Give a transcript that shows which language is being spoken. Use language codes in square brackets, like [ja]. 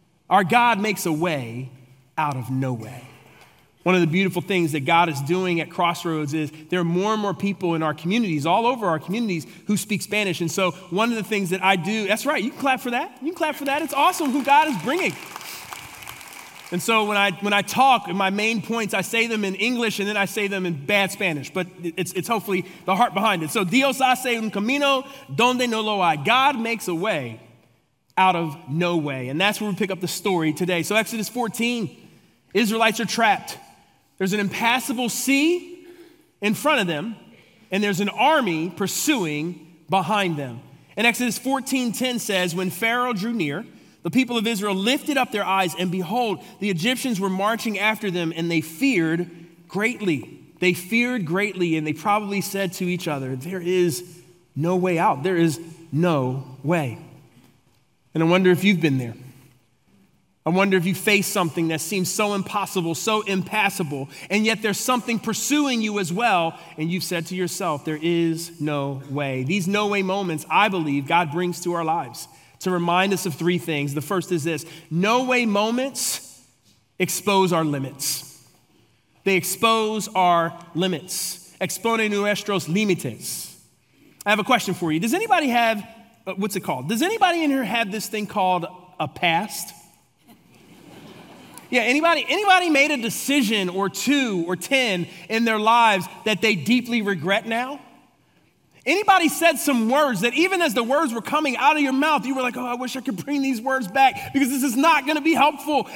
[en] Our God makes a way out of no way. One of the beautiful things that God is doing at Crossroads is there are more and more people in our communities, all over our communities, who speak Spanish. And so one of the things that I do, that's right, you can clap for that. You can clap for that. It's awesome who God is bringing. And so when I talk, my main points, I say them in English and then I say them in bad Spanish. But it's hopefully the heart behind it. [es] So Dios hace un camino donde no lo hay. [en] God makes a way out of no way. And that's where we pick up the story today. So Exodus 14, Israelites are trapped. There's an impassable sea in front of them, and there's an army pursuing behind them. And Exodus 14:10 says, when Pharaoh drew near, the people of Israel lifted up their eyes, and behold, the Egyptians were marching after them, and they feared greatly. They feared greatly, and they probably said to each other, there is no way out. There is no way. And I wonder if you've been there. I wonder if you face something that seems so impossible, so impassable, and yet there's something pursuing you as well, and you've said to yourself, there is no way. These no way moments, I believe, God brings to our lives to remind us of three things. The first is this: no way moments expose our limits. They expose our limits. [es] Expone nuestros límites. [en] I have a question for you. Does anybody have, what's it called? Does anybody in here have this thing called a past? Yeah, anybody made a decision or two or 10 in their lives that they deeply regret now? Anybody said some words that even as the words were coming out of your mouth, you were like, oh, I wish I could bring these words back because this is not going to be helpful.